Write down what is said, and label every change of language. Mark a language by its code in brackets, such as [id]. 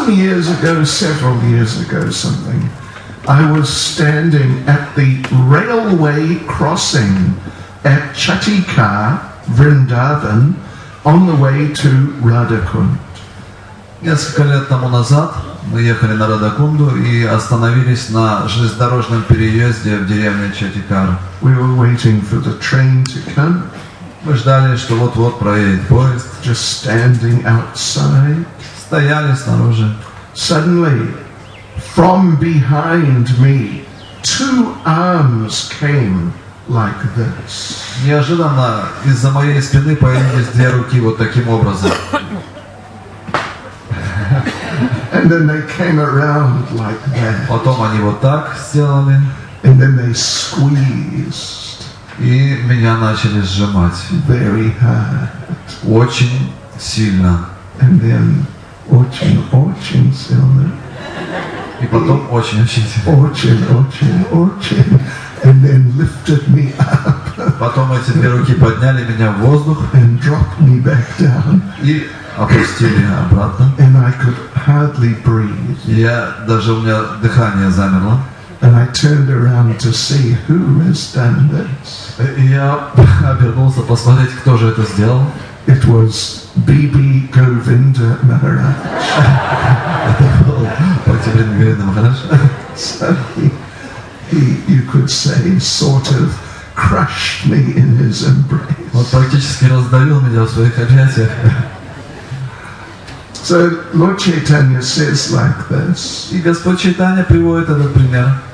[en] Several years ago, I was standing at the railway crossing at Chatikar, Vrindavan, on the way to Radhakund. [ru] Несколько лет тому назад мы ехали на Радхакунду и остановились на железнодорожном переезде в деревне Чатикар. [en] We were waiting for the train to come. [ru] Мы ждали, что вот-вот проедет поезд. [en] Just standing outside. [ru] Стояли снаружи. [en] Suddenly, from behind me, two arms came like this. [ru] Неожиданно из-за моей спины появились две руки вот таким образом. [en] And then they came around like that. [ru] Потом они вот так сделали. [en] And then they squeezed. [ru] И меня начали сжимать. [en] Very hard. [ru] Очень сильно. [en] And then [ru] очень-очень сильно. И потом очень-очень сильно. Очень-очень-очень. [en] And then lifted me up. [ru] Потом эти две руки подняли меня в воздух. [en] And dropped me back down. [ru] И опустили обратно. [en] And I could hardly breathe. [ru] Я даже, у меня дыхание замерло. [en] And I turned around to see who has done this. [ru] Я обернулся посмотреть, кто же это сделал. [en] It was Bibi Govinda Maharaj. [ru] Это был Бхактивинода Говинда Махарадж. [en] So he, you could say, sort of crushed me in his embrace. [ru] Он практически раздавил меня в своих объятиях. [en] So Lord Chaitanya says like this. [ru] И Господь Чайтанья приводит этот пример.